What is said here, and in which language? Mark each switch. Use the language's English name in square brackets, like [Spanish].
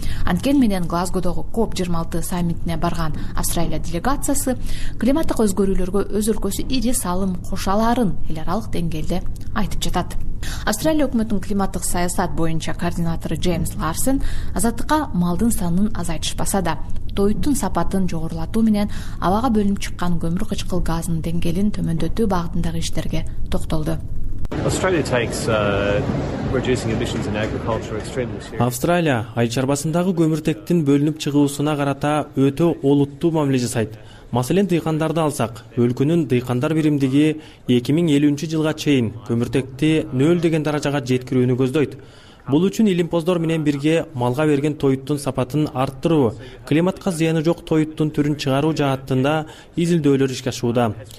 [Kyrgyz] Анткени менен Глазгодогу COP26 саммитине барган Австралия делегациясы климаттык өзгөрүүлөргө өз өлкөсү ири салым кошо аларын эл аралык деңгээлде айтып жатат. Австралия өкмөтүнүн климаттык саясат боюнча координатору Джеймс Ларсен азаттыкка малдын санын азайтышпаса да, тоюттун сапатын жогорулатуу менен абага бөлүнүп чыккан көмүр кычкыл газынын деңгээлин төмөндөтүү багытындагы иштерге токтолду. [English] Australia takes reducing emissions in agriculture extremely seriously. [Kyrgyz] Австралия ай чарбасындагы көмүртектин бөлүнүп чыгуусуна карата өтө олуттуу мамиле жасайт. Маселен, дыйкандарды алсак, өлкөнүн дыйкандар биримдиги 2050 жылга чейин көмүртекти нөл деген даражага жеткирүүнү көздөйт. Бул үчүн илимпоздор менен бирге малга берген тоюттун сапатын арттыруу, климатка зыяны жок тоюттун түрүн чыгаруу жаатында изилдөөлөр ишке ашууда.